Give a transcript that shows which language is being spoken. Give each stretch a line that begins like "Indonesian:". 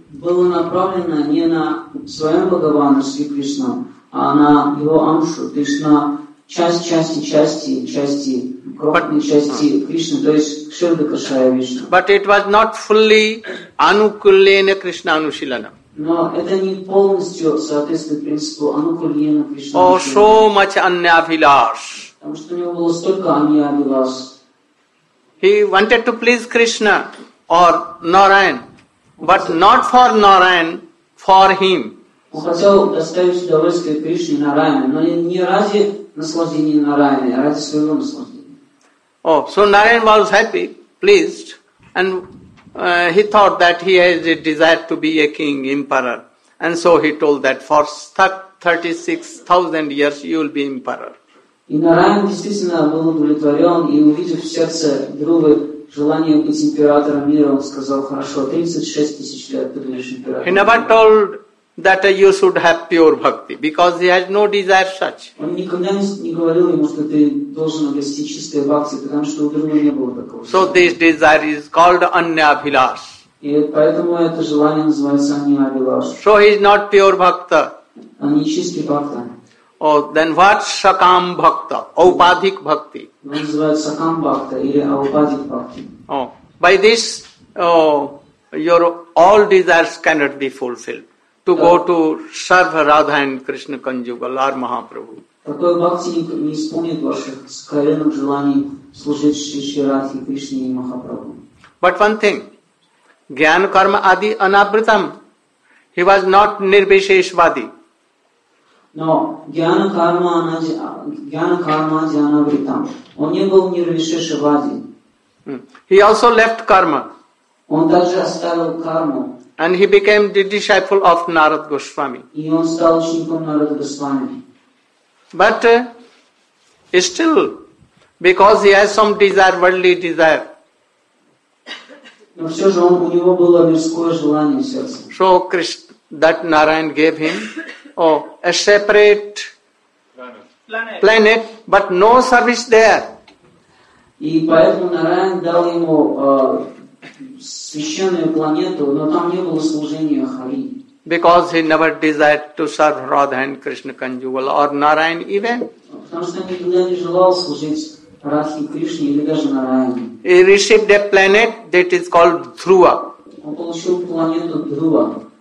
Russian: Было направлено не на своем Бхагавана Шри Кришна, а на его Амшу, то есть на части, крохотные части Кришны, то есть Кширда Кашая Вишна.
English: But it was not fully Anukulena Krishna Anushilana.
Russian: Но это не полностью соответствует принципу Anukulena Krishna
English: Anushilana. Oh, so much Anyabhilash.
Russian: Потому что у него было столько Anyabhilash.
English: He wanted to please Krishna or Narayan, but not for Narayan, for him.
Russian: Он хотел доставить удовольствие Кришне и Нараяне, но не ради наслаждения Нараяне, а ради своего наслаждения.
English: Oh, so Narayan was happy, pleased, and he thought that he has a desire to be a king, emperor. And so he told that for 36,000 years you will be emperor.
Russian: И Нараян действительно был удовлетворен, и увидев в сердце Друвы желание быть императором мира, он сказал, хорошо, 36 тысяч лет ты будешь императором.
English: He never told that you should have pure bhakti, because he has no desire such.
Russian: Он никогда не говорил ему, что ты должен обрести чистое бхакти, потому что у Друвы не было такого.
English: So this desire is called Anyabhilash.
Russian: И поэтому это желание называется Anyabhilash.
English: So he is not pure bhakta.
Russian: Он не чистый бхакта.
English: Oh, then what Sakam Bhakta, Aupadhik Bhakti? It is called Sakam Bhakta or Aupadhik Bhakti. Oh, by this, your all desires cannot be fulfilled. To go to serve Radha and Krishna conjugal or Mahaprabhu.
Russian: Такой бхакти не исполнит ваших сокровенных желаний служить Шри Шри Радхе, Кришне и Махапрабху.
English: But one thing,
Sanskrit: Gyan Karma Adi Anabritam,
English: he was not Nirvisheshvadi.
Sanskrit: Но гьяна карма джана вритам.
Russian: Он не был нирвишешвади.
English: He also left karma.
Russian: Он также оставил карму.
English: And he became the disciple of Narad Goswami.
Russian: И он стал учеником Нарада Госвами.
English: But still, because he has some desire, worldly desire.
Russian: Но все же у него было мирское желание в сердце.
English: So Krishna, that Narayan gave him. Oh, a separate planet, but no service there.
Russian: И поэтому Нараян дал ему священную планету, но там не было служения Хари.
English: Because he never desired to serve Radha and Krishna conjugal or Narayan even.
Russian: Потому что он никогда не желал служить Радхе и Кришне или даже Нараяне.
English: He received a planet that is called Dhruva.
Russian: Он получил планету Dhruva.